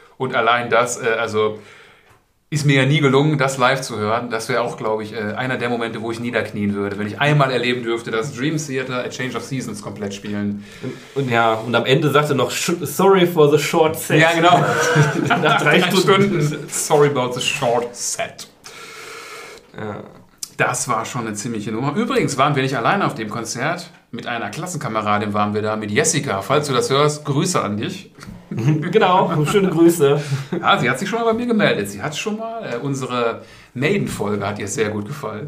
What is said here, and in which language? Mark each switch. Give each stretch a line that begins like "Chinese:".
German: Und allein das, also ist mir ja nie gelungen, das live zu hören. Das wäre auch, glaube ich, einer der Momente, wo ich niederknien würde, wenn ich einmal erleben dürfte, dass Dream Theater A Change of Seasons komplett spielen. Und ja, und am Ende sagt er noch, sorry for the short set. Ja, genau. Nach 3 Stunden.
English: Sorry about the short set.
German: Das war schon eine ziemliche Nummer. Übrigens waren wir nicht alleine auf dem Konzert. mit einer Klassenkameradin waren wir da, mit Jessica. Falls du das hörst, Grüße an dich. Genau, schöne Grüße. Ja, sie hat sich schon mal bei mir gemeldet. Sie hat schon mal, unsere Maiden-Folge hat ihr sehr gut gefallen.